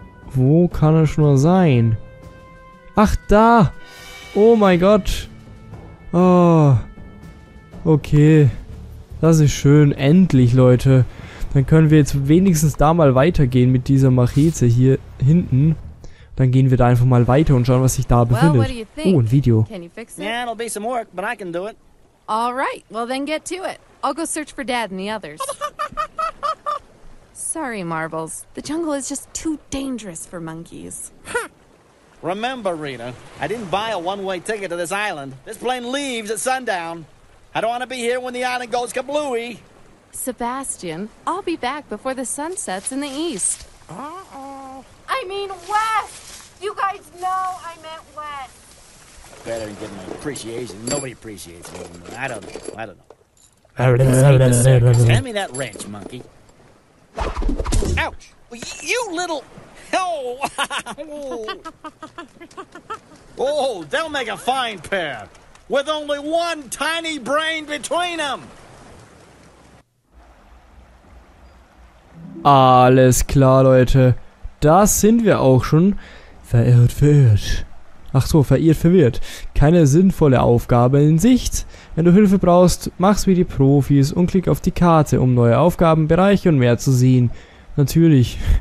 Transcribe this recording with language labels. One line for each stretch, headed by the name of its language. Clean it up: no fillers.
German: Wo kann er schon mal sein? Ach, da! Oh mein Gott! Oh, okay, das ist schön, endlich, Leute. Dann können wir jetzt wenigstens da mal weitergehen mit dieser Machete hier hinten. Dann gehen wir da einfach mal weiter und schauen, was sich da befindet.
English: Oh,
German: ein Video.
English: Can you fix it? Yeah, it'll be some work, but I can do it. All right, well then get to it. I'll go search for Dad and the others. Sorry, Marbles. The jungle is just too dangerous for monkeys. Remember, Rita, I didn't buy a one-way ticket to this island. This plane leaves at sundown. I don't want to be here when the island goes kablooey. Sebastian, I'll be back before the sun sets in the east. Uh-oh. I mean west! You guys know I meant west. Better than getting my appreciation. Nobody appreciates me. I don't know. Hand me that wrench, monkey. Ouch! You little... Oh. Oh, they'll make a fine pair with only one tiny brain between them.
German: Alles klar, Leute. Da sind wir auch schon. Verirrt, verirrt. Ach so, verirrt, verwirrt. Keine sinnvolle Aufgabe in Sicht. Wenn du Hilfe brauchst, mach's wie die Profis und klick auf die Karte, um neue Aufgabenbereiche und mehr zu sehen. Natürlich.